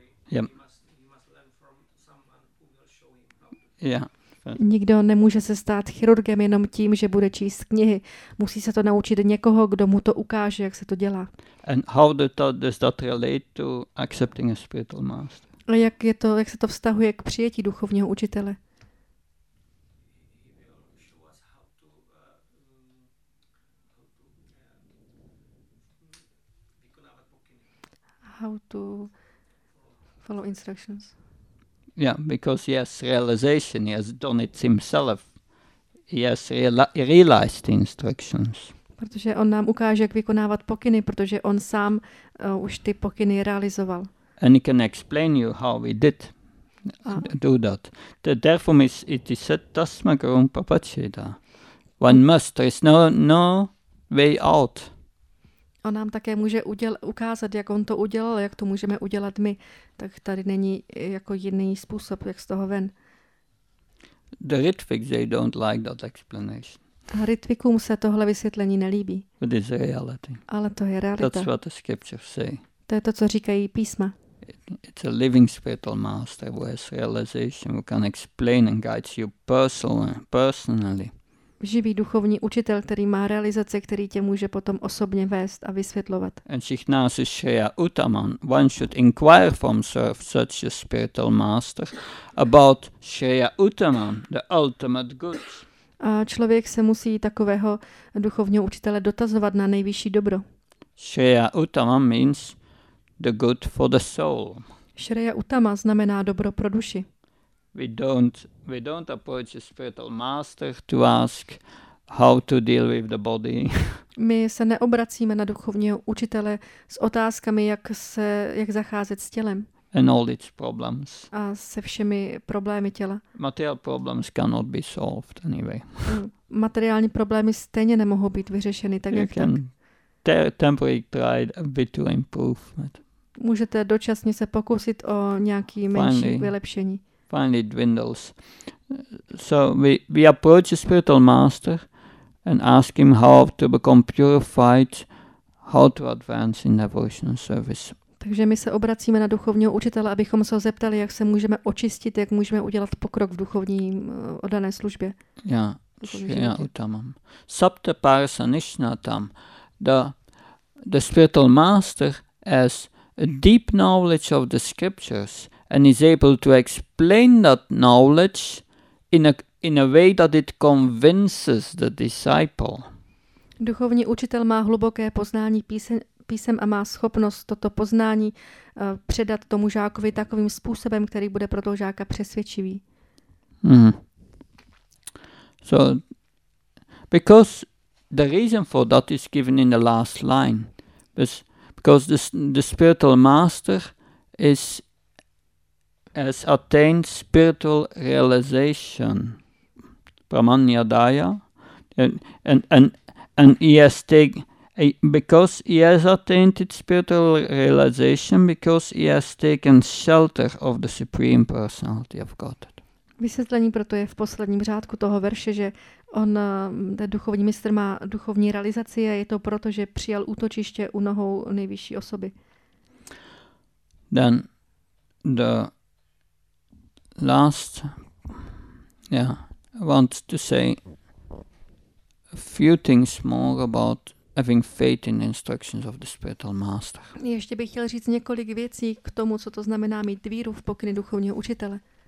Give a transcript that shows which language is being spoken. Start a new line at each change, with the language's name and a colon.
English: Yeah. Yeah.
Czech: Nikdo nemůže se stát chirurgem jenom tím, že bude číst knihy. Musí se to naučit někoho, kdo mu to ukáže, jak se to dělá.
English: And how does that relate to accepting a spiritual master?
Czech: A jak je to, jak se to vztahuje k přijetí duchovního učitele?
English: How to follow instructions? Yeah, because he has realization, he has done it himself. He has realized the instructions.
Czech: Protože on nám ukáže, jak vykonávat pokyny, protože on sám už ty pokyny realizoval.
English: And he can explain you how we did do that. Therefore, it is said,
Sanskrit: Tasma Guru Prabhacheda.
English: One must, there is no way out.
Czech: On nám také může ukázat, jak on to udělal, jak to můžeme udělat my. Tak tady není jako jiný způsob, jak z toho ven.
English: The Ritviks, they don't like that explanation.
Czech: A Ritvikům se tohle vysvětlení nelíbí.
English: But it's reality.
Czech: Ale to je realita.
English: That's what the scriptures say.
Czech: To je to, co říkají písma.
English: It's a living spiritual master who has realization, who can explain and guide you personally.
Czech: Živý duchovní učitel, který má realizace, který tě může potom osobně vést a vysvětlovat. And Shichnas is Shriya Uttaman.
English: One should inquire from such a spiritual master about Shriya Uttaman, the ultimate good.
Czech: A člověk se musí takového duchovního učitele dotazovat na nejvyšší dobro.
English: Shriya Uttaman means the good for the soul.
Czech: Shriya Uttama znamená dobro pro duši.
English: We don't approach a spiritual master to ask how to deal with the body.
Czech: My se neobracíme na duchovního učitele s otázkami, jak zacházet s tělem.
English: And all its problems.
Czech: A se všemi problémy těla.
English: Material problems cannot be solved anyway.
Czech: Materiální problémy stejně nemohou být vyřešeny tak, jak tak.
English: Temporary try a bit to improve.
Czech: Můžete dočasně se pokusit o nějaké menší vylepšení.
English: Finally dwindles. So we approach a spiritual master and ask him how to become purified, how to advance in devotional service.
Czech: Takže my se obracíme na duchovního učitele, abychom se ho zeptali, jak se můžeme očistit, jak můžeme udělat pokrok v duchovní oddané službě. Já utamam. Sapta parsa nishnatam.
English: The spiritual master has a deep knowledge of the scriptures and is able to explain that knowledge in a way that it convinces the disciple.
Czech: Duchovní učitel má hluboké poznání písem a má schopnost toto poznání předat tomu žákovi takovým způsobem, který bude pro toho žáka přesvědčivý. Mm.
English: So, because the reason for that is given in the last line. Because the spiritual master has attained spiritual realization. Pramanyadaya. And he has taken... Because he has attained spiritual realization, because he has taken shelter of the Supreme Personality of Godhead.
Czech: Vysvětlení proto je v posledním řádku toho verše, že on, ten duchovní mistr, má duchovní realizaci a je to proto, že přijal útočiště u nohou nejvyšší osoby.
English: Then the last, I want to say a few things more about having faith in instructions of the spiritual master.
Czech: Ještě bych chtěl říct několik věcí k tomu, co to znamená mít víru v pokyny duchovního učitele.